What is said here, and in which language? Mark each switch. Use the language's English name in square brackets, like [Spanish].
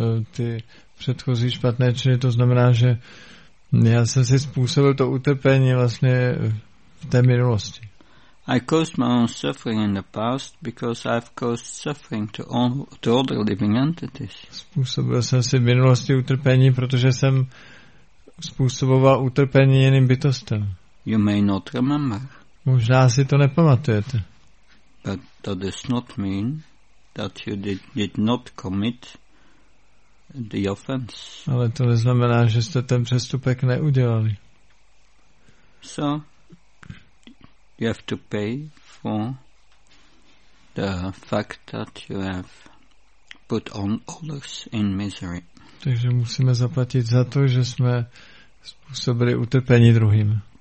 [Czech] Ty předchozí špatné činy, to znamená, že já jsem si způsobil to utrpení vlastně v té minulosti. [English] I caused my own suffering in the past because I've caused suffering to all the living entities. [Czech] Způsobil jsem si v minulosti utrpení, protože jsem způsoboval utrpení jiným bytostem. [English] You may not remember. [Czech] Možná si to nepamatujete. [English] But that does not mean that you did not commit the offense. [Czech] Ale to neznamená, že jste ten přestupek neudělali. [English] So you have to pay for the fact that you have put on others in misery. [Czech] Takže musíme zaplatit za to, že jsme způsobili utrpení druhým.